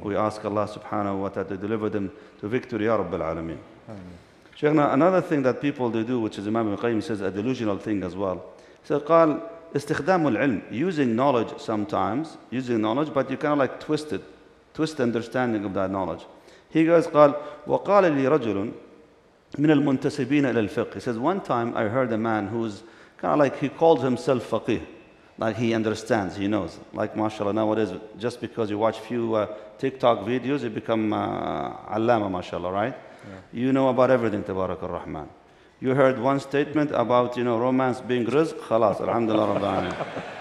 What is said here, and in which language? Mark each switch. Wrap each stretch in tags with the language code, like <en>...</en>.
<en>We ask Allah subhanahu wa ta'ala to deliver them to victory, Ya Rabbil Alameen. Amen. Sheikhna, another thing that people they do, which is Imam al-Qayyim says a delusional thing as well. So</en> <ar>قال استخدام العلم,</ar> <en>using knowledge sometimes, using knowledge, but you kind of like twist it, twist the understanding of that knowledge. He goes,</en> <ar>قال وقال لي رجل من المنتسبين إلى الفقه.</ar> <en>He says, one time I heard a man who's kind of like, he calls himself faqih, like he understands, he knows. Like mashallah, nowadays, just because you watch few TikTok videos, you become allama, mashallah, right? Yeah. You know about everything, tabarak al-Rahman. You heard one statement about, you know, romance being rizq, khalas, alhamdulillah rabbil alamin.</en>